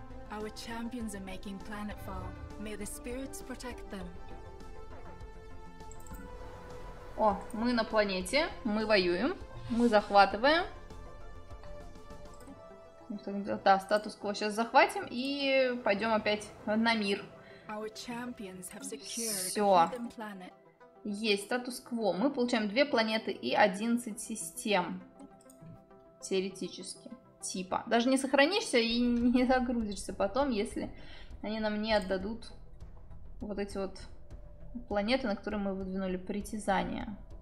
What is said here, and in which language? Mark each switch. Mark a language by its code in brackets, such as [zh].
[en] Our champions are making planetfall. May the spirits protect them. [ru] О, мы на планете, мы воюем, мы захватываем. Да, статус кво сейчас захватим и пойдем опять на мир. [en] Our champions have secured hidden planet. [ru] Есть статус кво. Мы получаем 2 планеты и 11 систем. Теоретически, типа. Даже не сохранишься и не загрузишься потом, если они нам не отдадут вот эти вот планеты, на которые мы выдвинули притязания.